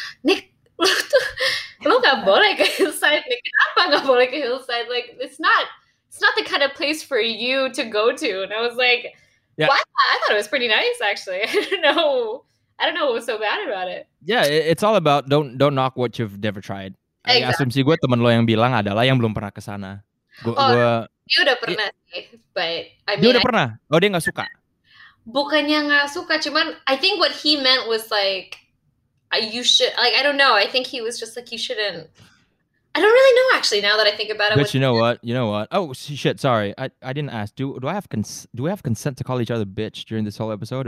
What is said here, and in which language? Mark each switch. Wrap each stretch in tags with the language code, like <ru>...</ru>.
<id>Nick, lu gak boleh ke Hillside. Nick, kenapa gak boleh ke Hillside?</id> <en>Like, it's not the kind of place for you to go to. And I was like, what? I thought it was pretty nice, actually. I don't know what was so bad about it. Yeah, it's all about don't knock what you've never tried. Exactly.</en> <id>Asumsi gue temen lo yang bilang adalah yang belum pernah ke sana. Dia udah pernah sih,</id> <en>but I mean.</en> <id>Dia udah pernah? Oh, dia gak suka? Bukannya gak suka, cuman</id> <en>I think what he meant was like, you should, like, I don't know. I think he was just like, you shouldn't. I don't really know, actually, now that I think about it. But you know what? Oh, shit, sorry. I didn't ask. Do we have consent to call each other bitch during this whole episode?</en>